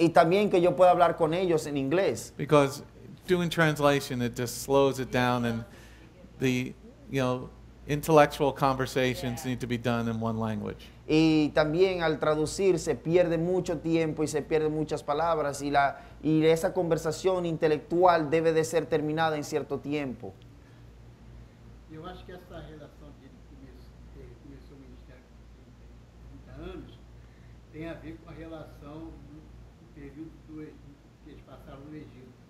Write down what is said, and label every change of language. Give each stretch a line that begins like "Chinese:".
Spanish: Y también que yo pueda hablar con ellos en inglés.
English: Because doing translation, it just slows it down, and the, you know, intellectual conversations need to be done in one language.
Spanish: Y también al traducir se pierde mucho tiempo y se pierden muchas palabras y esa conversación intelectual debe de ser terminada en cierto tiempo.
Portuguese: Eu acho que essa relação que ele começou o ministério com 30 anos tem a ver com a relação do período do Egito, que eles passaram no Egito.